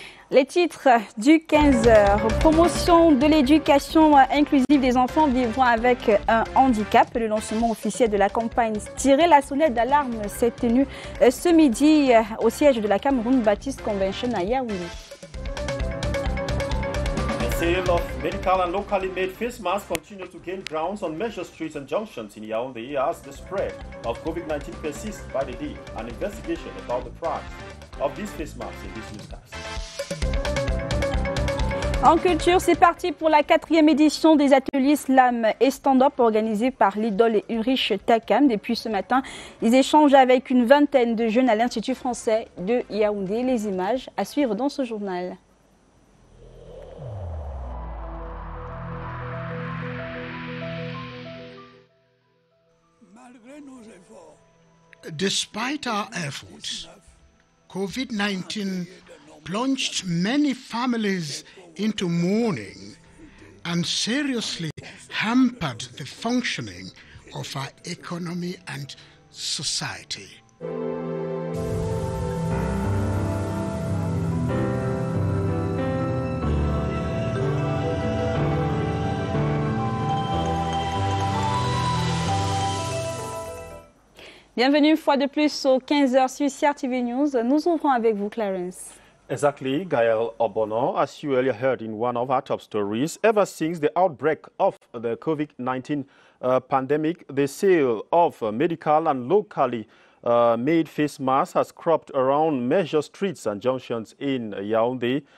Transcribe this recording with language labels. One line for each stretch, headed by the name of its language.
French: Les titres du 15h, promotion de l'éducation inclusive des enfants vivant avec un handicap. Le lancement officiel de la campagne Tirer la sonnette d'alarme s'est tenu ce midi au siège de la Cameroun Baptist Convention à Yaoundé.
English: Sale of medical and locally made face masks continue to gain grounds on major streets and junctions in Yaoundé as the spread of COVID-19 persists by the day. An investigation about the price of these face masks in this newscast.
French: En culture, c'est parti pour la 4e édition des ateliers slam et stand-up organisés par l'idole Ulrich Takam. Depuis ce matin, ils échangent avec une vingtaine de jeunes à l'Institut français de Yaoundé. Les images à suivre dans ce journal.
English: Despite our efforts, COVID-19 plunged many families into mourning and seriously hampered the functioning of our economy and society.
French: Bienvenue une fois de plus au 15h sur CR TV News. Nous ouvrons avec vous, Clarence.
English: Exactly, Gaël Obono. As you earlier heard in one of our top stories, ever since the outbreak of the COVID-19 pandemic, the sale of medical and locally made face masks has cropped around major streets and junctions in Yaoundé.